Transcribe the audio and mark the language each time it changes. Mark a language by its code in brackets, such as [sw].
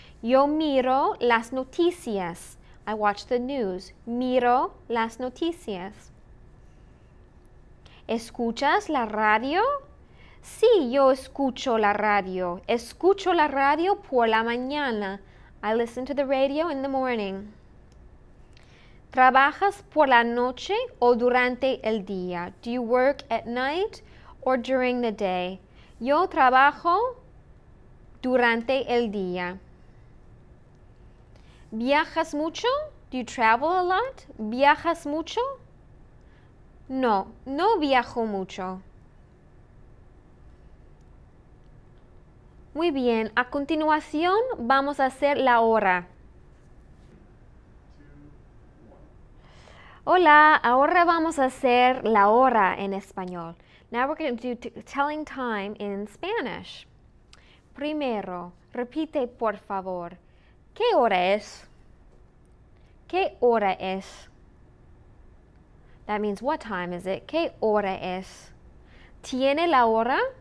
[es] Yo miro las noticias. [en] I watch the news. [es] Miro las noticias. ¿Escuchas la radio? Sí, yo escucho la radio. Escucho la radio por la mañana. [en] I listen to the radio in the morning. [es] ¿Trabajas por la noche o durante el día? [en] Do you work at night or during the day? [es] Yo trabajo durante el día. ¿Viajas mucho? [en] Do you travel a lot? [es] ¿Viajas mucho? No, no viajo mucho. Muy bien, a continuación vamos a hacer la hora. Hola, ahora vamos a hacer la hora en español. [en] Now we're going to do telling time in Spanish. [es] Primero, repite por favor. ¿Qué hora es? ¿Qué hora es? [en] That means, what time is it? [es] ¿Qué hora es? ¿Tiene la hora?